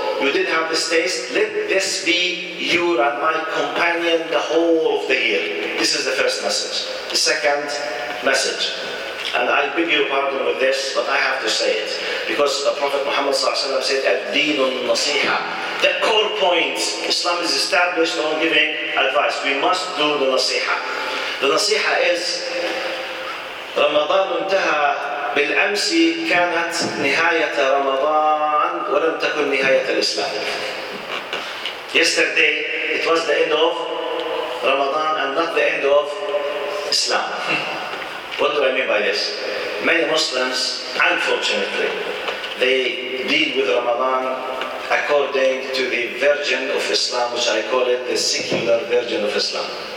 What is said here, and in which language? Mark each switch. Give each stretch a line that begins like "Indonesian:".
English: You did have this taste, let this be you and my companion the whole of the year. This is the first message. The second message, and I beg your pardon with this, but I have to say it, because the Prophet Muhammad ﷺ said, "Ad-deenun nasiha." The core point, Islam is established on giving advice. We must do the nasiha. The nasiha is,
Arabic: رمضان انتهى بالأمس كانت نهاية رمضان ولم تكن نهاية الإسلام.
English: Yesterday, it was the end of Ramadan and not the end of Islam. What do I mean by this? Many Muslims, unfortunately, they deal with Ramadan according to the version of Islam, which I call it the secular version of Islam.